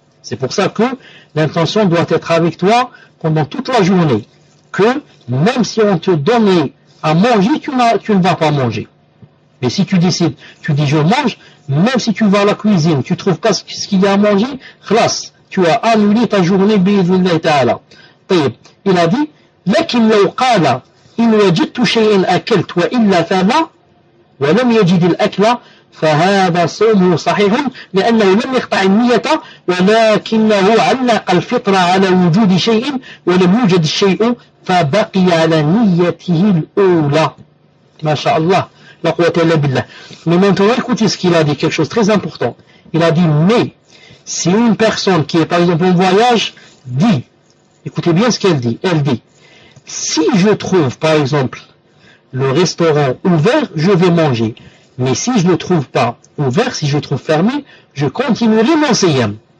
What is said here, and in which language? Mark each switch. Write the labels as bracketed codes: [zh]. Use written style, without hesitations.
[fr] C'est pour ça que l'intention doit être avec toi pendant toute la journée. Que même si on te donnait à manger, tu ne vas pas manger. Mais si tu décides, tu dis je mange, même si tu vas à la cuisine, tu ne trouves pas ce qu'il y a à manger, khlas, tu as annulé ta journée, bi'idhnillahi ta'ala. [ar] Il a dit, لكن لو قال إن وجدت شيئا أكلت وإلا فلا ولم يجد الأكل فهذا صومه صحيح لأنه لم يقطع النية ولكنه علق الفطرة على وجود شيء ولم يوجد الشيء فبقي على نيته الأولى ما شاء الله لا قوة إلا بالله. [fr] Mais maintenant écoutez ce qu'il a dit, quelque chose de très important. Il a dit, mais si une personne qui est par exemple en voyage dit, écoutez bien ce qu'elle dit, elle dit, si je trouve, par exemple, le restaurant ouvert, je vais manger. Mais si je ne le trouve pas ouvert, si je le trouve fermé, je continuerai mon siyam.